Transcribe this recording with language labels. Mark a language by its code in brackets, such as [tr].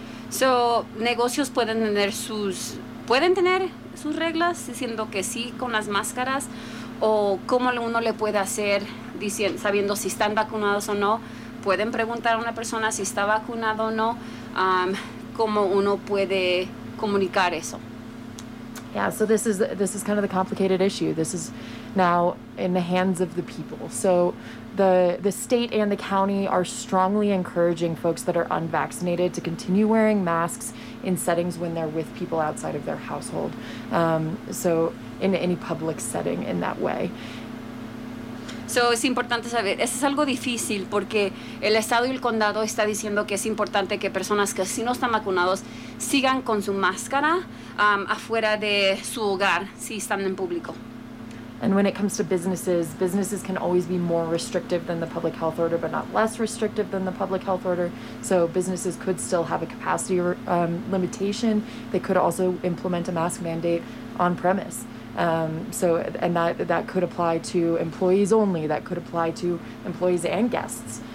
[es] So negocios pueden tener sus reglas diciendo que sí con las máscaras, o cómo uno le puede hacer sabiendo si están vacunados o no. Pueden preguntar a una persona si está vacunado o no, cómo uno puede comunicar eso. [en] Yeah, so this is kind of the complicated issue. This is now in the hands of the people. So the state and the county are strongly encouraging folks that are unvaccinated to continue wearing masks in settings when they're with people outside of their household. So in any public setting in that way. [es] So es importante saber, eso es algo difícil porque el estado y el condado está diciendo que es importante que personas que sí no están vacunados sigan con su máscara afuera de su hogar si están en público. [en] And when it comes to businesses can always be more restrictive than the public health order, but not less restrictive than the public health order. So businesses could still have a capacity limitation. They could also implement a mask mandate on premise. So that could apply to employees only, that could apply to employees and guests.